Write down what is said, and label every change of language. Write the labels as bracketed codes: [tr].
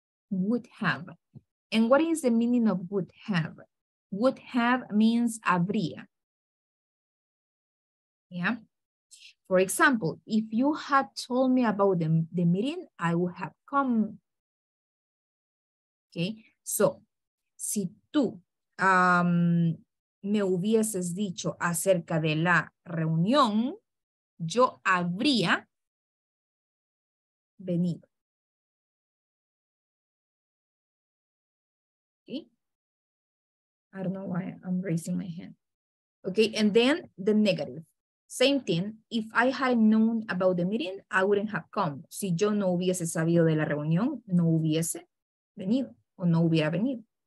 [en] Would have. And what is the meaning of would have? Would have means habría. Yeah. For example, if you had told me about the meeting, I would have come. [es] Okay, so si tú me hubieses dicho acerca de la reunión, yo habría venido. [en] Okay, I don't know why I'm raising my hand. Okay, and then the negative. Same thing, if I had known about the meeting, I wouldn't have come. [es] Si yo no hubiese sabido de la reunión, no hubiese venido o no hubiera venido.